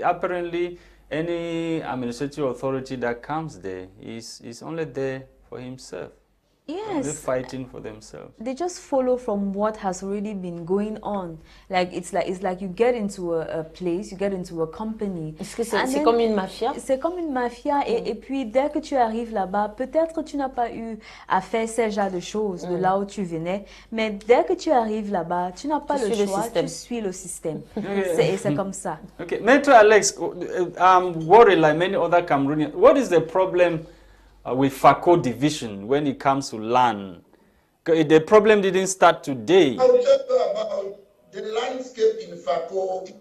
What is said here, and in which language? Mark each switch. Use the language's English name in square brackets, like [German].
[English] Apparently, any administrative authority that comes there is only there for himself. Yes, they're fighting for themselves. They just follow from what has already been going on. Like it's like you get into a place, you get into a company. [French] C'est comme une mafia. Mm. Et puis dès que tu arrives là-bas, peut-être tu n'as pas eu à faire ce genre de choses de là où tu venais, mais dès que tu arrives là-bas, tu n'as pas le choix. Système. Tu suis le système. c'est comme ça. [English] Okay, Maitre Alex, I'm worried like many other Cameroonians. What is the problem with FACO division when it comes to land? The problem didn't start today. I will tell you about the landscape in FACO.